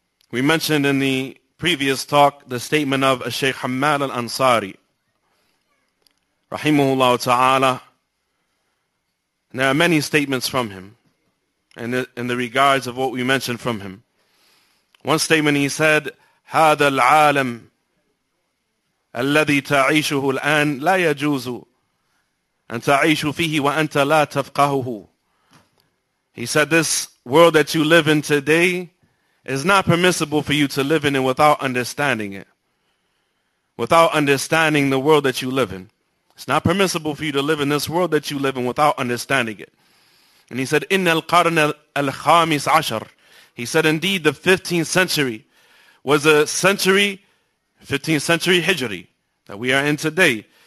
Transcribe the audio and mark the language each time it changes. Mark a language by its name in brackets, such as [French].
[English] We mentioned in the previous talk the statement of Sheikh Hamal al-Ansari, rahimahullah ta'ala. There are many statements from him in the regards of what we mentioned from him. One statement he said, [Arabic] هذا العالم الذي تعيشه الآن لا يجوز أن تعيش فيه وأنت لا تفقهه. [English] He said, this world that you live in today is not permissible for you to live in it without understanding it. Without understanding the world that you live in. It's not permissible for you to live in this world that you live in without understanding it. And he said, [Arabic] إِنَّ الْقَرْنَ الْخَامِسْ عَشَرِ [English] He said, indeed, the 15th century was a century, 15th century Hijri, that we are in today.